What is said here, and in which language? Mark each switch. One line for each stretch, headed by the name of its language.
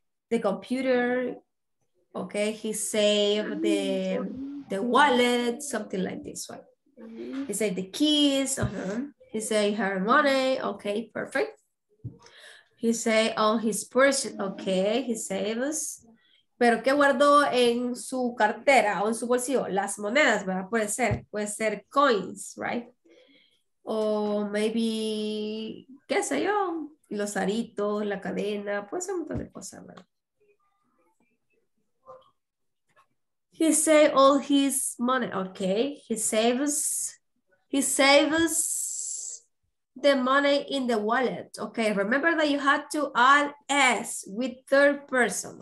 English: The computer, okay, he saved the wallet, something like this one. He saved the keys, he saved her money, okay, perfect. He saved all his purse, okay, he saves.
Spanish: Pero ¿qué guardó en su cartera o en su bolsillo? Las monedas, ¿verdad? Puede ser coins, right? O maybe, qué sé yo, los aritos, la cadena, puede ser un montón de cosas, ¿verdad?
English: He saved all his money. Okay, he saves the money in the wallet. Okay, remember that you had to add S with third person.